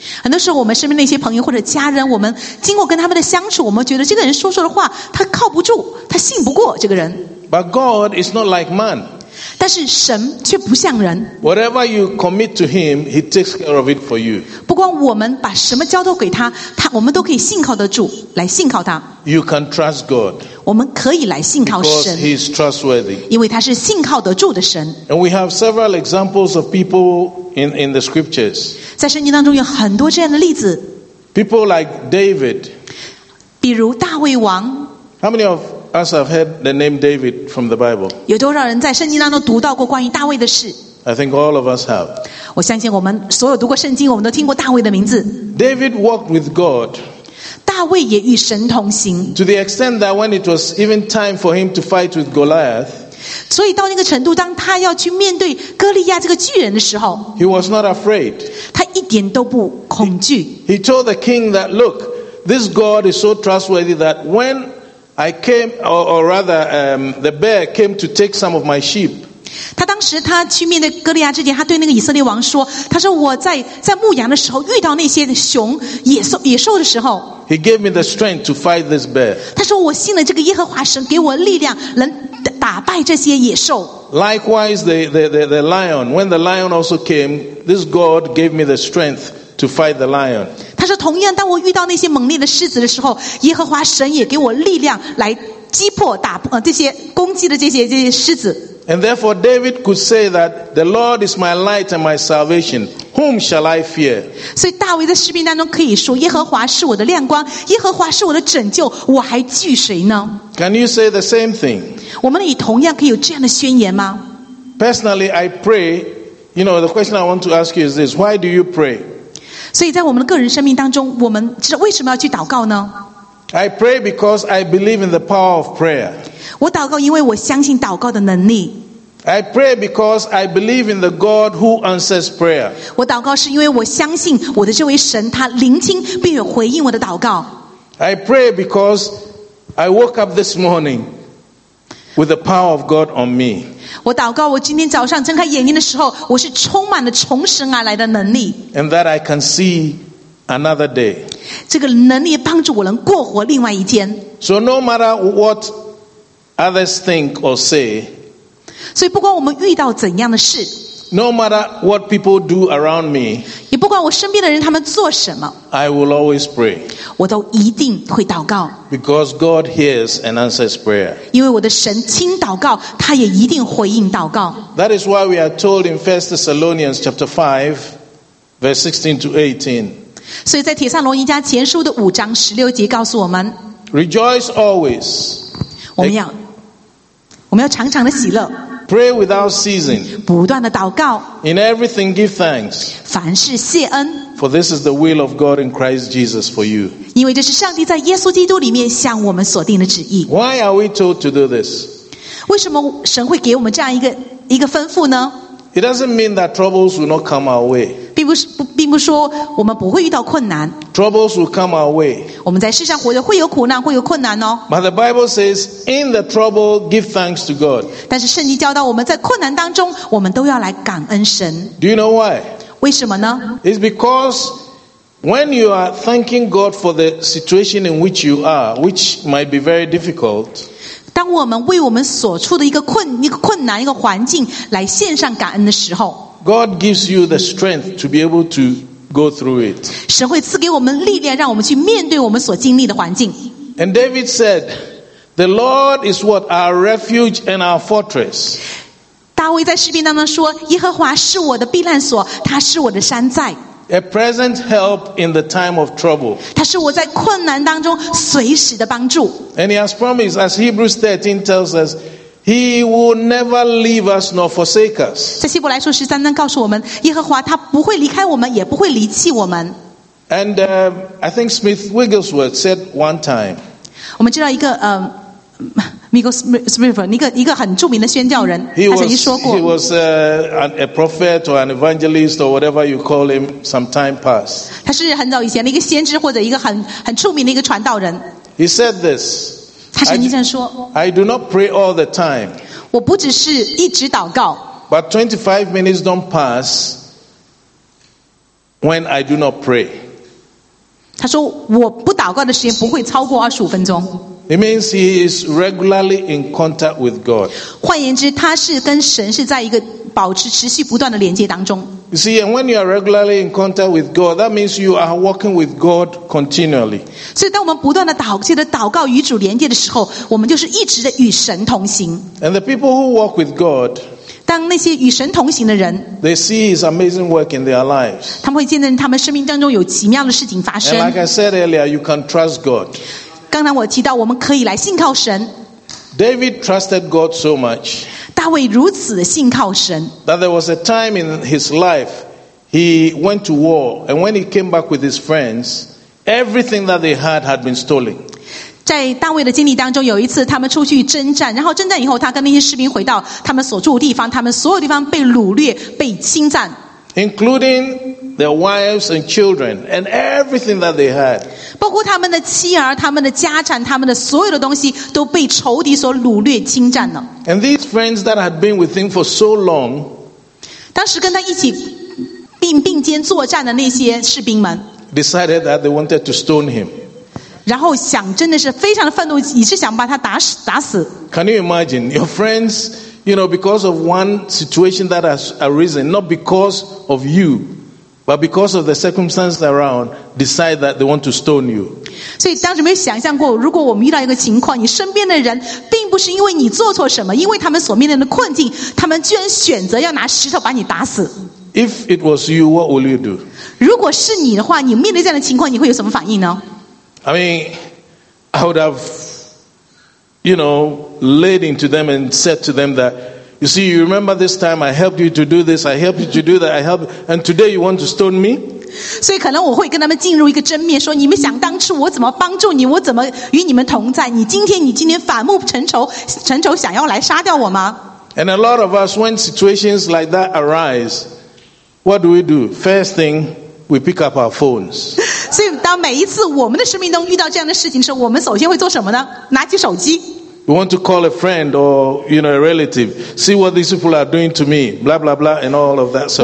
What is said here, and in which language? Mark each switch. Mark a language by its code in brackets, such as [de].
[zh] 很多时候我们身边那些朋友或者家人，我们经过跟他们的相处，我们觉得这个人说出的话，他靠不住，他信不过这个人。 [en] But God is not like man. [zh] 但是神却不像人。 [en] Whatever you commit to Him, He takes care of it for you. [zh] 不管我们把什么交托给他，他我们都可以信靠得住，来信靠他。 [en] You can trust God. [zh] 我们可以来信靠神。 [en] Because He is trustworthy. [zh] 因为他是信靠得住的神。 [en] And we have several examples of people in the scriptures. [zh] 在圣经当中有很多这样的例子。 [en] People like David. [zh] 比如大卫王。 [en] How many of us have heard the name David from the Bible? [zh] 有多少人在圣经当中读到过关于大卫的事？ [en] I think all of us have. [zh] 我相信我们所有读过圣经，我们都听过大卫的名字。 [en] David walked with God. [zh] 大卫也与神同行。 [en] To the extent that when it was even time for him to fight with Goliath, [zh] 所以到那个程度，当他要去面对哥利亚这个巨人的时候， [en] he was not afraid. [zh] 他一点都不恐惧。 [en] He told the king that, look, this God is so trustworthy that when I came, or rather, the bear came to take some of my sheep. [zh] 他当时他去面对哥利亚之前，他对那个以色列王说：“他说我在牧羊的时候遇到那些熊野兽的时候。” [en] He gave me the strength to fight this bear. [zh] 他说我信了这个耶和华神给我力量，能打败这些野兽。 [en] Likewise, the lion. When the lion also came, this God gave me the strength to fight the lion. [zh] 他说同样，当我遇到那些猛烈的狮子的时候，耶和华神也给我力量来击破打这些攻击的这些狮子。 [en] And therefore David could say that the Lord is my light and my salvation. Whom shall I fear? [zh] 所以大卫在诗篇当中可以说耶和华是我的亮光，耶和华是我的拯救，我还惧谁呢？ [en] Can you say the same thing? [zh] 我们也同样可以有这样的宣言吗？ [en] Personally, I pray, you know, the question I want to ask you is this, why do you pray? [zh] 所以在我们的个人生命当中，我们知道为什么要去祷告呢？ [en] I pray because I believe in the power of prayer. [zh] 我祷告，因为我相信祷告的能力。 [en] I pray because I believe in the God who answers prayer. [zh] 我祷告是因为我相信我的这位神，他聆听并有回应我的祷告。 [en] I pray because I woke up this morning with the power of God on me. [zh] 我祷告，我今天早上睁开眼睛的时候，我是充满了从神而来的能力。 [en] And that I can see another day. [zh] 这个能力帮助我能过活另外一天。 [en] So no matter what. Others think or say. [zh] 所以不管我们遇到怎样的事， [en] no matter what people do around me, [zh] 也不管我身边的人他们做什么， [en] I will always pray. [zh] 我都一定会祷告。 [en] Because God hears and answers prayer. [zh] 因为我的神听祷告，他也一定回应祷告。 [en] That is why we are told in 1 Thessalonians chapter 5. Verse 16 to 18. [zh] 所以在帖撒罗尼迦前书的五章十六节告诉我们 [en] Rejoice always. [zh] 我们要常常的喜乐。 [en] Pray without ceasing. [zh] 不断的祷告。 [en] In everything give thanks. [zh] 凡事谢恩。 [en] For this is the will of God in Christ Jesus for you. [zh] 因为这是上帝在耶稣基督里面向我们所定的旨意。 [en] Why are we told to do this? [zh] 为什么神会给我们这样一个吩咐呢？ [en] It doesn't mean that troubles will not come our way. [zh] 并不说我们不会遇到困难。 [en] Troubles will come our way. [zh] 我们在世上活着会有苦难，会有困难哦。 [en] But the Bible says, in the trouble, give thanks to God. [zh] 但是圣经教导我们在困难当中，我们都要来感恩神。 [en] Do you know why? [zh] 为什么呢？ [en] It's because when you are thanking God for the situation in which you are, which might be very difficult. [zh] 当我们为我们所处的一个困难一个环境来献上感恩的时候 [en] God gives you the strength to be able to go through it. [zh] 神会赐给我们力量让我们去面对我们所经历的环境。 [en] And David said, the Lord is what? Our refuge and our fortress. [zh] 大卫在诗篇当中说耶和华是我的避难所他是我的山寨。 [en] A present help in the time of trouble. [zh] 他是我在困难当中随时的帮助。 [en] And he has promised, as Hebrews 13 tells us, he will never leave us nor forsake us. [zh] 在希伯来书十三章告诉我们，耶和华他不会离开我们，也不会离弃我们。 [en] And I think Smith Wigglesworth said one time. [zh] 我们知道一个Michael Smith, 一个很著名的宣教人 [en] he was, [zh] 他曾经说过 [en] He was a prophet or an evangelist or whatever you call him some time past. [zh] 他是很早以前的一个先知或者一个很著名的一个传道人 [en] He said this. [zh] 他曾经这样说 [en] I do not pray all the time. [zh] 我不只是一直祷告 [en] But 25 minutes don't pass when I do not pray. [zh] 他说我不祷告的时间不会超过25分钟。 [en] It means he is regularly in contact with God. [zh] 换言之，他是跟神是在一个保持持续不断的连接当中。 [en] You see, and when you are regularly in contact with God, that means you are walking with God continually. [zh] 所以，当我们不断的祷告与主连接的时候，我们就是一直的与神同行。 [en] And the people who walk with God, [zh] 当那些与神同行的人 [en] they see his amazing work in their lives. [zh] 他们会见证他们生命当中有奇妙的事情发生。 [en] And like I said earlier, you can trust God. [zh] 刚才我提到我们可以来信靠神 [en] David trusted God so much [zh] 大卫如此的信靠神 [en] that there was a time in his life he went to war and when he came back with his friends everything that they had been stolen [zh] 在大卫的经历当中有一次他们出去征战然后征战以后他跟那些士兵回到他们所住的地方他们所有地方被掳掠被侵占 [en] includingTheir wives and children and everything that they had. [zh] 包括他们的妻儿他们的家产他们的所有的东西都被仇敌所掳掠侵占了。 [en] And these friends that had been with him for so long. [zh] 当时跟他一起并肩作战的那些士兵们。 [en] Decided that they wanted to stone him. [zh] 然后想真的是非常的愤怒以致想把他打死。 [en] Can you imagine your friends, you know, because of one situation that has arisen, not because of you. But because of the circumstances around, decide that they want to stone you. [zh] 所以当时没有想象过，如果我们遇到一个情况，你身边的人并不是因为你做错什么，因为他们所面临的困境，他们居然选择要拿石头把你打死。 [en] If it was you, what will you do? [zh] 如果是你的话，你面对这样的情况，你会有什么反应呢？ [en] I mean, I would have, you know, laid into them and said to them that. You see, you remember this time I helped you to do this, I helped you to do that, I helped, and today you want to stone me? [zh] 所以可能我会跟他们进入一个争辩，说你们想当初我怎么帮助你，我怎么与你们同在，你今天反目成仇，想要来杀掉我吗？ [en] And a lot of us, when situations like that arise, what do we do? First thing, we pick up our phones. [zh] 所以当每一次我们的生命中遇到这样的事情的时候，我们首先会做什么呢？拿起手机。 [en] We want to call a friend or, you know, a relative. See what these people are doing to me. Blah, blah, blah, and all of that sort of thing.